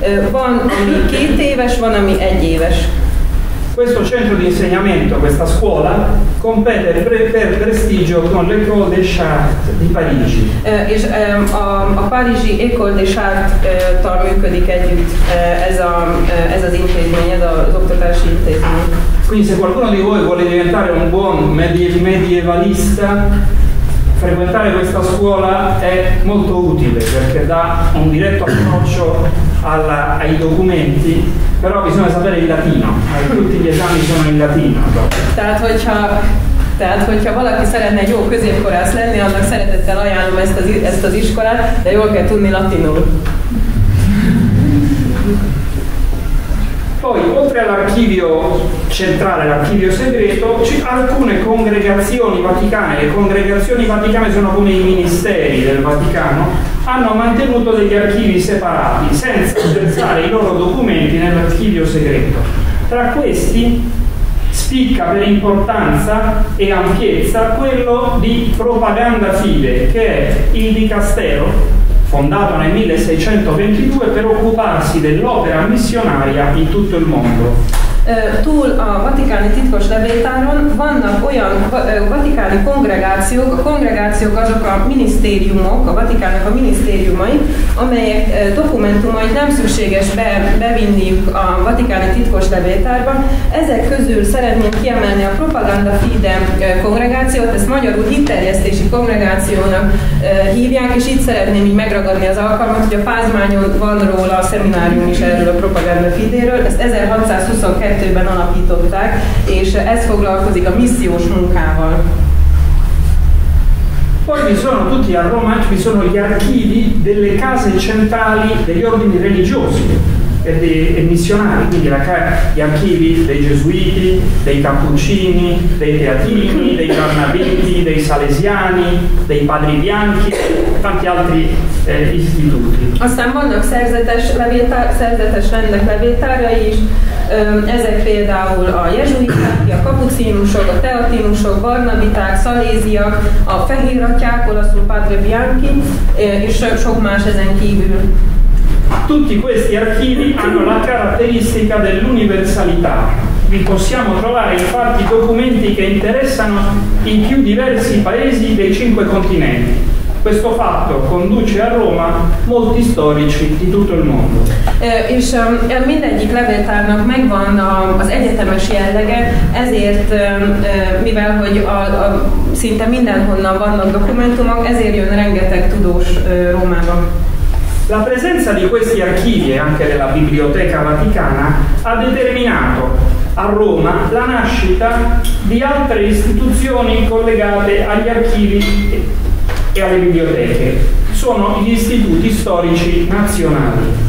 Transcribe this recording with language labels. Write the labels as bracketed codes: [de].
[hu] Van, ami két éves, van, ami egy éves. [it] Questo centro di insegnamento, questa scuola, compete per prestigio con l'École des Chartes di Parigi. [hu] És a parigi École des Chartes-tal működik együtt ez az intézmény, ez az oktatási intézmény. [it] Quindi se qualcuno di voi vuole diventare un buon medievalista, frequentare questa scuola è molto utile perché dà un diretto approccio ai documenti, però bisogna sapere il latino, tutti gli esami sono in latino. [hu] Tehát, hogyha valaki szeretne egy jó középkorász lenni, annak szeretettel ajánlom ezt az iskolát, de jól kell tudni latinul. [it] Poi, oltre all'archivio centrale, l'archivio segreto, ci sono alcune congregazioni vaticane. Le congregazioni vaticane sono come i ministeri del Vaticano, hanno mantenuto degli archivi separati, senza versare i loro documenti nell'archivio segreto. Tra questi spicca per importanza e ampiezza quello di Propaganda Fide, che è il dicastero fondato nel 1622 per occuparsi dell'opera missionaria in tutto il mondo. [hu] Túl a vatikáni titkos levéltáron vannak olyan vatikáni kongregációk, a kongregációk azok a minisztériumok, a Vatikánnak a minisztériumai, amelyek dokumentumait nem szükséges bevinniük a vatikáni titkos levéltárba. Ezek közül szeretném kiemelni a Propaganda Fide kongregációt, ezt magyarul hitterjesztési kongregációnak hívják, és itt szeretném így megragadni az alkalmat, hogy a Pázmányon van róla a szeminárium is erről a Propaganda Fidéről, ezt 1622 kettőben alapították, és ez foglalkozik a missziós munkával. [it] Poi vi sono tutti a Roma, ci sono gli archivi delle case centrali degli ordini religiosi e dei missionari, quindi gli archivi dei gesuiti, dei cappuccini, dei teatini, dei barnabiti, dei salesiani, dei padri bianchi, tanti altri istituti. [hu] Aztán vannak szerzetes rendek levéltárai is, ezek például a jezsuiták, a kapucinusok, a teatinusok, barnabiták, szaléziak, a fehératyák, olaszul [it] padre bianchi, [hu] és sok más ezen kívül. [it] Tutti questi archivi hanno la caratteristica dell'universalità. Vi possiamo trovare infatti documenti che interessano i più diversi paesi dei cinque continenti. Questo fatto conduce a Roma molti storici di tutto il mondo. [hu] És mindegyik levéltárnak megvan az egyetemes jellege, ezért, mivel hogy szinte mindenhonnan vannak dokumentumok, ezért jön rengeteg tudós Rómába. [it] La presenza di questi archivi e anche della Biblioteca Vaticana ha determinato a Roma la nascita di altre istituzioni collegate agli archivi e alle biblioteche. Sono gli istituti storici nazionali.